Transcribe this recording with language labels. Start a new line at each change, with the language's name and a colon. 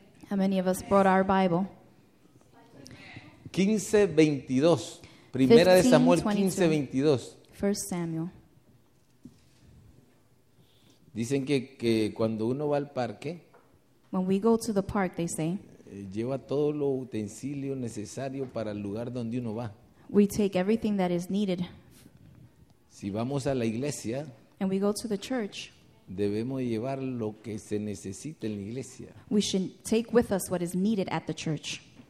English: How many of us brought our Bible?
Spanish: 15:22. Primera de Samuel 15:22.
English: First Samuel.
Spanish: Dicen que cuando uno va al parque,
English: when we go to the park, they say,
Spanish: lleva todo lo utensilio necesario para el lugar donde uno va.
English: We take everything that is needed.
Spanish: Si vamos a la iglesia,
English: and we go to the church,
Spanish: debemos llevar lo que se necesita en la iglesia.
English: We should take with us what is needed at the church.